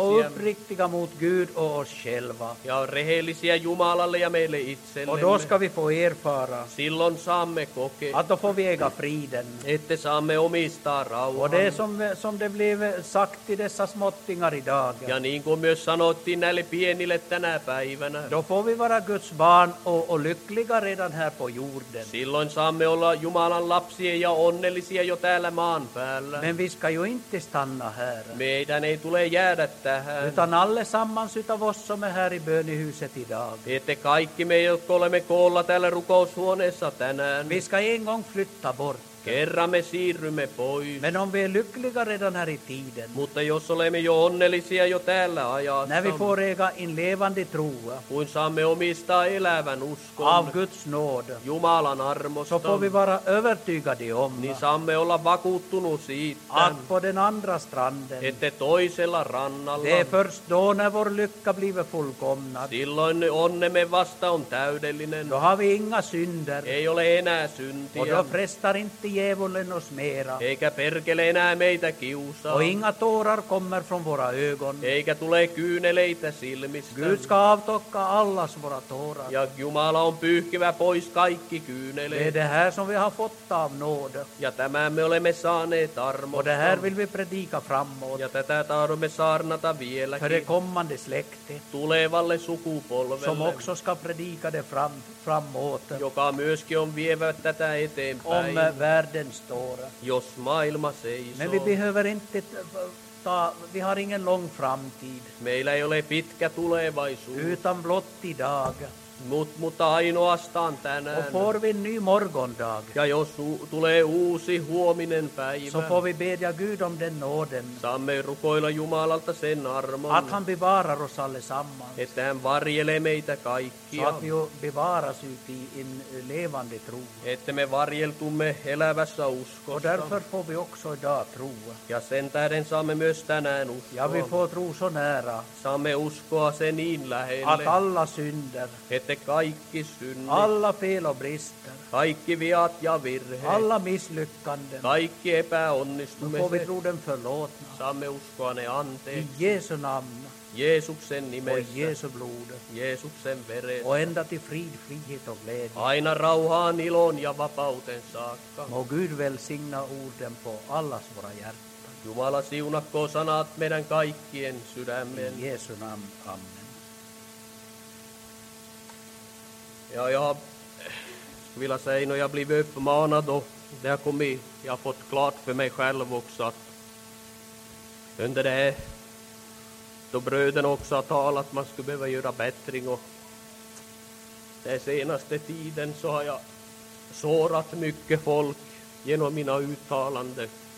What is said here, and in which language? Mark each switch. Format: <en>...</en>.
<sv>Och uppriktiga mot Gud och oss själva.</sv> <fi>Ja rehellisiä Jumalalle ja meille itsellemme.</fi> <sv>Och då ska vi få erfara.</sv> <fi>Silloin saamme kokea.</fi> <sv>Att då får vi äga fri.</sv> <fi>Ette saamme omistaa rauhan.</fi> <sv>Och det som det blev sagt i dessa småttingar idag.</sv> <fi>Ja niin kuin myös sanottiin näille pienille tänä päivänä.</fi> <sv>Då får vi vara Guds barn och lyckliga redan här på jorden.</sv> <fi>Silloin saamme olla Jumalan lapsia ja onnellisia jo täällä maan päällä.</fi> <sv>Men vi ska ju inte stanna här.</sv> <fi>Meidän ei tule jäädä tähän.</fi> <sv>Utan allesammans utav oss som är här i bönehuset idag.</sv> <fi>Ette kaikki me, jotka olemme koolla täällä rukoushuoneessa tänään.</fi> <sv>Vi ska en gång flytta bort.</sv> <fi>Kerran me siirrymme pois.</fi> <sv>Men om vi är lyckliga redan här i tiden.</sv> <fi>Mutta jos olemme jo onnellisia jo täällä ajassa.</fi> <sv>När vi får äga en levande tro.</sv> <fi>Kun saamme omistaa elävän uskon.</fi> <sv>Av Guds nåd.</sv> <fi>Jumalan armosta.</fi> <sv>Så får vi vara övertygade om.</sv> <fi>Niin saamme olla vakuuttunut siitä.</fi> <sv>Att på den andra stranden.</sv> <fi>Ette toisella rannalla.</fi> <sv>Det är först då när vår lycka blivit fullkomnad.</sv> <fi>Silloin onnemme vasta on täydellinen.</fi> <sv>Då har vi inga synder.</sv> <fi>Ei ole enää syntiä.</fi> <sv>Och då frestar inte djävulen oss mera.</sv> <fi>Eikä perkele enää meitä kiusaa.</fi> <sv>Och inga tårar kommer från våra ögon.</sv> <fi>Eikä tule kyyneleitä silmistä.</fi> <sv>Gud ska avtocka allas våra tårar.</sv> <fi>Ja Jumala on pyyhkivä pois kaikki kyyneleet.</fi> <sv>Det här som vi har fått av nåd.</sv> <fi>Ja tämän me olemme saaneet armosta.</fi> <sv>Och det här vill vi predika framåt.</sv> <fi>Ja tätä tahdomme saarnata vieläkin.</fi> <sv>För det kommande släkte.</sv> <fi>Tulevalle sukupolvelle.</fi> <sv>Som också ska predika det framåt.</sv> <fi>Joka myöskin on vievä tätä eteenpäin.</fi> <sv>Om världen står.</sv> <fi>Jos maailma seisoo.</fi> <sv>Men vi behöver inte ta, vi har ingen lång framtid.</sv> <fi>Meillä ei ole pitkä tulevaisuus.</fi> <sv>Utan blott idag.</sv> <fi>Mutta ainoastaan tänään.</fi> <sv>Och får vi en ny morgondag.</sv> <fi>Ja jos tulee uusi huominen päivä.</fi> <sv>Så får vi bedja Gud om den nåden.</sv> <fi>Saamme rukoilla Jumalalta sen armon.</fi> <sv>Att han bevarar oss allesammans.</sv> <fi>Että hän varjelee meitä kaikkia.</fi> <sv>Så att vi bevaras uti en levande tro.</sv> <fi>Että me varjeltumme elävässä uskossa.</fi> <sv>Och därför får vi också idag tro.</sv> <fi>Ja sen tähden saamme myös tänään uskoa.</fi> <sv>Ja vi får tro så nära.</sv> <fi>Saamme uskoa sen niin lähelle.</fi> <sv>Att alla synder.</sv> <fi>Et näette kaikki synnit.</fi> <sv>Alla fel och brister.</sv> <fi>Kaikki viat ja virheet.</fi> <sv>Alla misslyckanden.</sv> <fi>Kaikki epäonnistumiset.</fi> <sv>Nu får vi tro den förlåtna.</sv> <fi>Saamme uskoa ne anteeksi.</fi> <sv>I Jesu namn.</sv> <fi>Jeesuksen nimessä.</fi> <sv>Och Jesu blodet.</sv> <fi>Jeesuksen veressä.</fi> <sv>Och ända till frid, frihet och glädje.</sv> <fi>Aina rauhaan, ilon ja vapauten saakka.</fi> <sv>Må Gud välsigna orden på allas våra hjärtan.</sv> <fi>Jumala, siunatko sanat meidän kaikkien sydämen. Jeesu nam, amen.</fi> <sv>Ja, vill jag säga, när jag blev uppmanad och det har kommit, jag har fått klart för mig själv också att under det här, då bröden också har talat att man skulle behöva göra bättring och den senaste tiden så har jag sårat mycket folk genom mina uttalanden.</sv>